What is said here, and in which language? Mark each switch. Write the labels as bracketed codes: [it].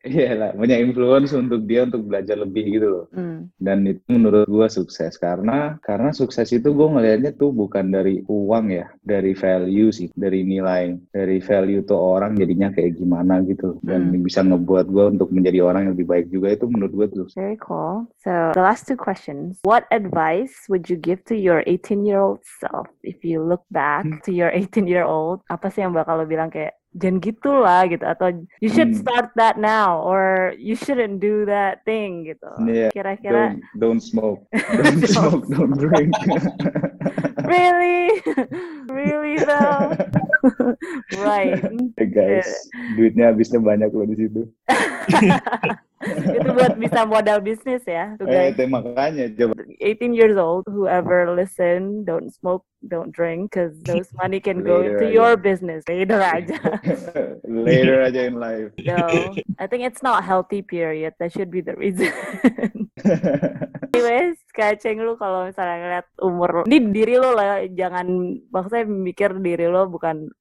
[id] Iya lah, punya influence untuk dia untuk belajar lebih gitu loh. Dan itu menurut gue sukses, karena sukses itu gue ngelihatnya tuh bukan dari uang ya, dari value sih, dari nilai, dari value tuh orang jadinya kayak gimana gitu, dan bisa ngebuat gue untuk menjadi orang yang lebih baik juga itu. [en] Very cool. So the last two questions. What advice would you give to your 18-year-old self if you look back to your 18-year-old? [id] Apa sih yang bakal lo bilang kayak jangan gitu lah gitu, atau [en] you should start that now or you shouldn't do that thing [id] gitu. [en] Yeah. [id] Kira-kira [en] don't smoke. Don't smoke, don't drink. Really? Really though? Right. Hey guys, [id] duitnya habisnya banyak loh di situ. Itu buat bisa modal bisnis ya. Makanya coba. [en] 18 years old, whoever listen, don't smoke, don't drink, because those money can go to your business later aja. Later aja in life. No, I think it's not healthy period. That should be the reason. [id] Anyways, kaceng lu kalau misalnya ngeliat umur lu, ini diri lu lah, jangan, maksudnya mikir diri lu bukan